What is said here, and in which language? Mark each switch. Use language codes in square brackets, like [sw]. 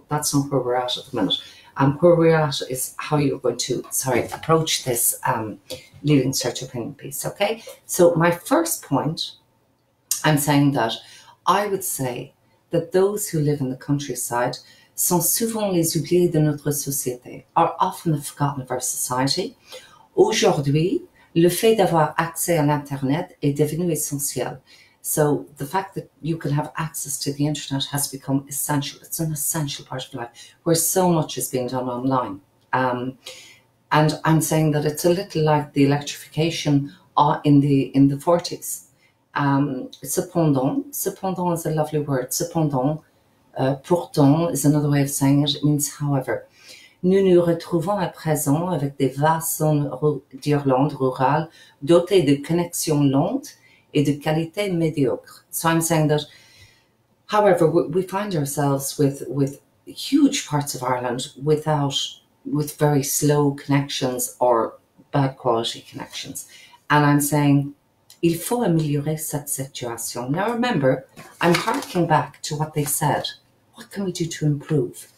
[en] That's not where we're at the minute. Where we're at is how you're going to, sorry, approach this Leaving Cert opinion piece, okay? So my first point, I'm saying that I would say that those who live in the countryside [fr] sont souvent les oubliés de notre société, [en] are often the forgotten of our society. [fr] Aujourd'hui, le fait d'avoir accès à l'Internet est devenu essentiel. [en] So the fact that you can have access to the internet has become essential. It's an essential part of life where so much is being done online. And I'm saying that it's a little like the electrification in the 40s. Cependant is a lovely word. Cependant, pourtant is another way of saying it. It means however. [fr] Nous nous retrouvons à présent avec des vastes zones d'Irlande rurale dotées de connexions lentes et de qualité médiocre. [en] So I'm saying that, however, we find ourselves with huge parts of Ireland with very slow connections or bad quality connections. And I'm saying, [fr] il faut améliorer cette situation. [en] Now remember, I'm harking back to what they said. What can we do to improve?